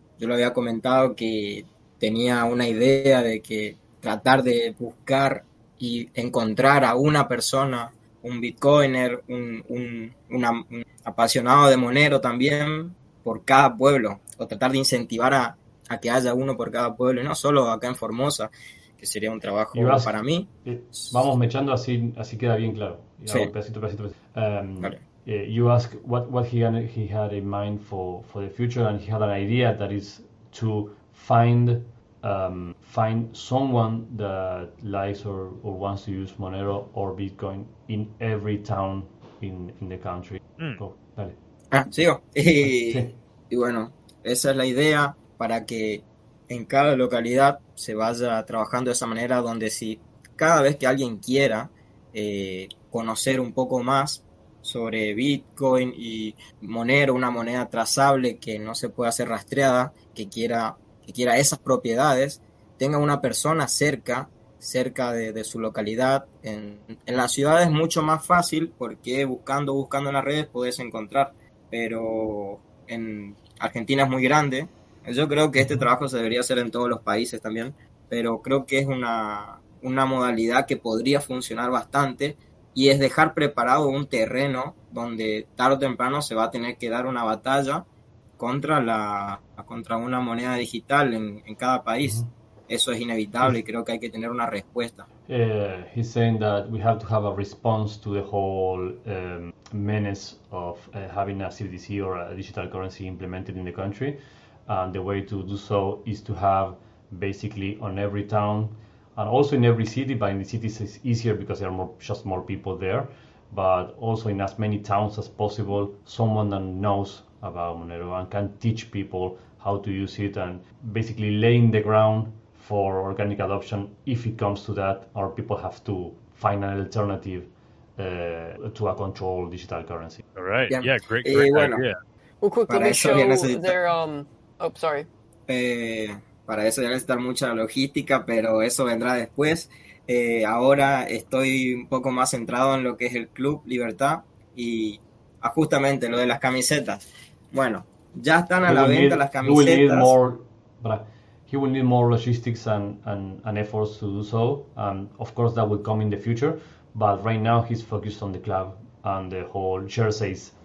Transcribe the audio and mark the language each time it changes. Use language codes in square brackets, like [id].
[es] Yo le había comentado que tenía una idea de que tratar de buscar y encontrar a una persona, un bitcoiner, un apasionado de Monero también, por cada pueblo, o tratar de incentivar a que haya uno por cada pueblo, y no solo acá en Formosa, que sería un trabajo para mí. Vamos mechando así queda bien claro. Sí. Pasito. Vale. [en] You ask what he had in mind for the future, and he had an idea that is to find someone that likes or wants to use Monero or Bitcoin in every town in the country. Mm. Go, dale. [es] Ah, sigo. Y bueno, esa es la idea para que en cada localidad se vaya trabajando de esa manera donde si cada vez que alguien quiera conocer un poco más sobre Bitcoin y Monero, una moneda trazable que no se pueda hacer rastreada, que quiera esas propiedades, tenga una persona cerca de su localidad. En la ciudad es mucho más fácil porque buscando en las redes puedes encontrar, pero en Argentina es muy grande. Yo creo que este trabajo se debería hacer en todos los países también, pero creo que es una modalidad que podría funcionar bastante, y es dejar preparado un terreno donde tarde o temprano se va a tener que dar una batalla contra una moneda digital en cada país. Mm-hmm. Eso es inevitable. Y creo que hay que tener una respuesta. [en] He's saying that we have to have a response to the whole menace of having a CBDC or a digital currency implemented in the country. And the way to do so is to have basically on every town and also in every city, but in the cities it's easier because there are more people there, but also in as many towns as possible, someone that knows about Monero and can teach people how to use it and basically laying the ground for organic adoption if it comes to that, or people have to find an alternative to a controlled digital currency. All right. Yeah, yeah, great idea. Well, quickly, let me show their... sorry. [es] Para eso ya necesitar mucha logística, pero eso vendrá después. Ahora estoy un poco más centrado en lo que es el Club Libertad y justamente lo de las camisetas. Bueno, ya están a la venta las camisetas. [en] He will need more logistics and efforts to do so. And of course, that will come in the future. But right now, he's focused on the club and the whole jerseys.